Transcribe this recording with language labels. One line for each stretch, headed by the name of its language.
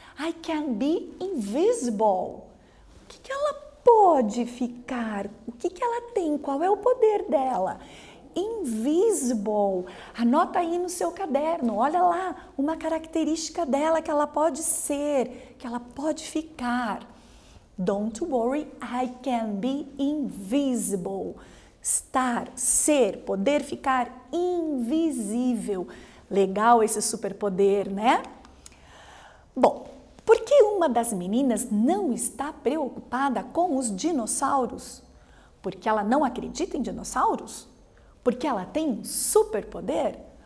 English: I can be invisible.
Portuguese: O que que ela pode ficar? O que que ela tem? Qual é o poder dela? Invisible. Anota aí no seu caderno. Olha lá uma característica dela que ela pode ser, que ela pode ficar.
English: Don't worry, I can be invisible.
Portuguese: Estar, ser, poder ficar invisível. Legal esse superpoder, né? Bom, por que uma das meninas não está preocupada com os dinossauros? Porque ela não acredita em dinossauros? Porque ela tem um superpoder?